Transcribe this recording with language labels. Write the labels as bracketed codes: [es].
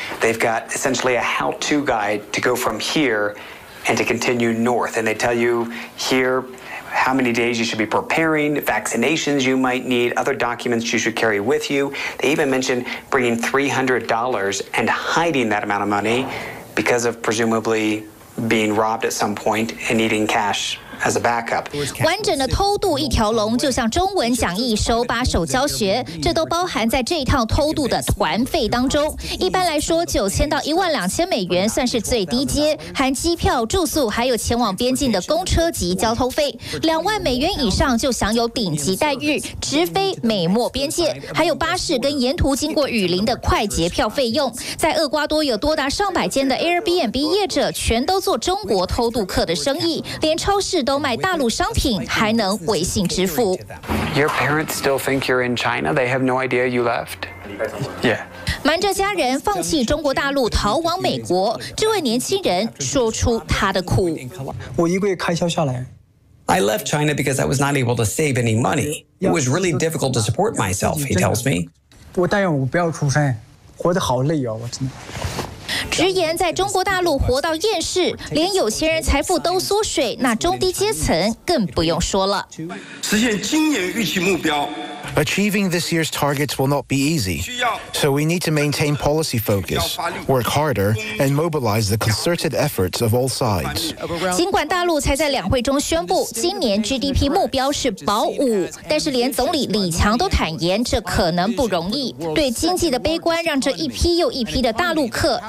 [en] They've got essentially a how-to guide to go from here and to continue north, and they tell you here. How many days you should be preparing, vaccinations you might need, other documents you should carry with you. They even mentioned bringing $300 and hiding that amount of money because of presumably being robbed at some point and needing cash. As a backup. [zh] 完整的偷渡一条龙，就像中文讲义手把手教学，这都包含在这一趟偷渡的团费当中。一般来说，$9,000-$12,000算是最低阶，含机票、住宿，还有前往边境的公车及交通费。 $20,000以上就享有顶级待遇，直飞美墨边界，还有巴士跟沿途经过雨林的快捷票费用。在厄瓜多有多达上百间的 Airbnb 业者，全都做中国偷渡客的生意，连超市。都卖大陆商品，还能微信支付。 [en] Your parents still think you're in China. They have no idea you left. Yeah. [zh] 瞒着家人放弃中国大陆逃往美国，这位年轻人说出他的苦。我一个月开销下来。 [en] I left China because I was not able to save any money. It was really difficult to support myself. He tells me. [zh] 我但愿我不要出生，活得好累啊！我真的。直言在中国大陆活到厌世，连有钱人财富都缩水，那中低阶层更不用说了。实现今年预期目标 [en] ，Achieving this year's targets will not be easy. So we need to maintain policy focus, work harder, and mobilize the concerted efforts of all sides. [zh] 尽管大陆才在两会中宣布今年 GDP 目标是保五，但是连总理李强都坦言这可能不容易。对经济的悲观让这一批又一批的大陆客。